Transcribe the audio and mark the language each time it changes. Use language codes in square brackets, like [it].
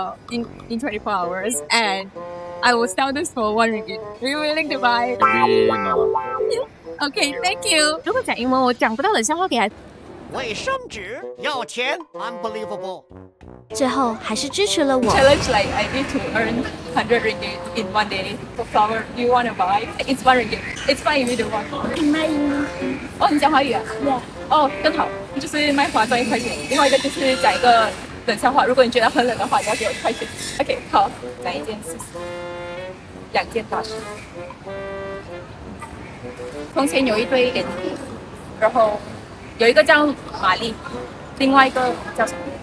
[en] in 24 hours and I will sell this for 1 ringgit. Are you willing to buy? Okay, thank you. [zh] 如果讲英文，我讲不到冷笑话给他。卫生纸要钱 ，unbelievable。最后还是支持了我。 [en] Challenge like I need to earn 100 ringgit in one day for flower. Do you want to buy? It's 1 ringgit. It's fine if you don't want. [zh] 可以卖吗？哦，你讲华语啊？哇，哦，更好，就是卖花赚1块钱。另外一个就是讲一个冷笑话，如果你觉得很冷的话，你要给我1块钱。 OK， 好，哪一件事？2件大事。从前有一对眼睛，然后有一个叫玛丽，另外一个叫什么？